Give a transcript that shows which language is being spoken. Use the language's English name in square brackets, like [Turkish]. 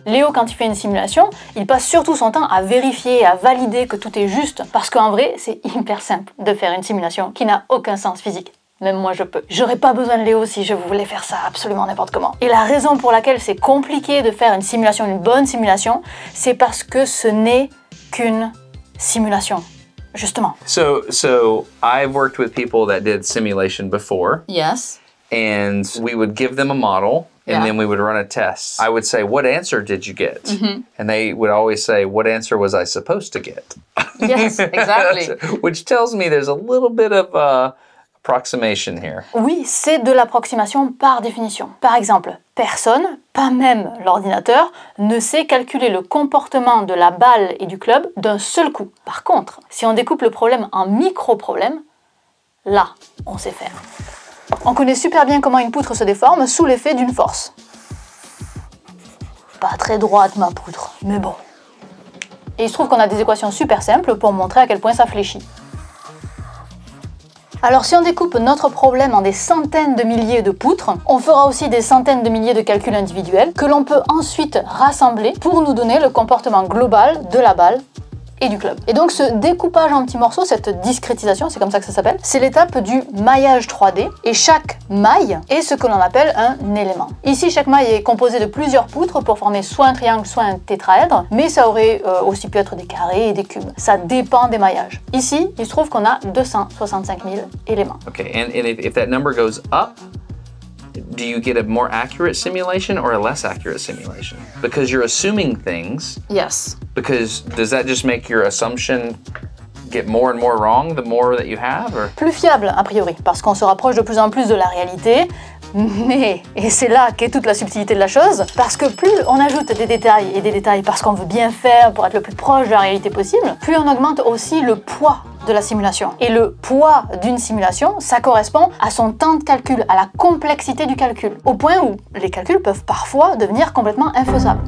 [French] Léo, quand il fait une simulation, il passe surtout son temps à vérifier, à valider que tout est juste, parce qu'en vrai, c'est hyper simple de faire une simulation qui n'a aucun sens physique. Même moi, je peux. J'aurais pas besoin de Léo si je voulais faire ça absolument n'importe comment. Et la raison pour laquelle c'est compliqué de faire une simulation, une bonne simulation, c'est parce que ce n'est qu'une simulation, justement. [English] So I've worked with people that did simulation before. Yes. And we would give them a model, and yeah. then we would run a test. I would say, what answer did you get? Mm-hmm. And they would always say, what answer was I supposed to get? Yes, exactly. Which tells me there's a little bit of a... approximation here. [French] Oui, c'est de l'approximation par définition. Par exemple, personne, pas même l'ordinateur, ne sait calculer le comportement de la balle et du club d'un seul coup. Par contre, si on découpe le problème en micro-problèmes, là, on sait faire. On connaît super bien comment une poutre se déforme sous l'effet d'une force. Pas très droite ma poutre, mais bon. Et il se trouve qu'on a des équations super simples pour montrer à quel point ça fléchit. Alors si on découpe notre problème en des centaines de milliers de poutres, on fera aussi des centaines de milliers de calculs individuels que l'on peut ensuite rassembler pour nous donner le comportement global de la balle et du club. Et donc ce découpage en petits morceaux, cette discrétisation, c'est comme ça que ça s'appelle, c'est l'étape du maillage 3D et chaque maille est ce que l'on appelle un élément. Ici, chaque maille est composée de plusieurs poutres pour former soit un triangle, soit un tétraèdre, mais ça aurait aussi pu être des carrés et des cubes. Ça dépend des maillages. Ici, il se trouve qu'on a 265 000 éléments. [English] Okay, and if that number goes up, do you get a more accurate simulation or a less accurate simulation? Because you're assuming things. Yes. Because does that just make your assumption get more and more wrong the more that you have? Or? [French] Plus fiable, a priori, parce qu'on se rapproche de plus en plus de la réalité. Mais, et c'est là qu'est toute la subtilité de la chose, parce que plus on ajoute des détails et des détails parce qu'on veut bien faire pour être le plus proche de la réalité possible, plus on augmente aussi le poids de la simulation. Et le poids d'une simulation, ça correspond à son temps de calcul, à la complexité du calcul, au point où les calculs peuvent parfois devenir complètement infaisables.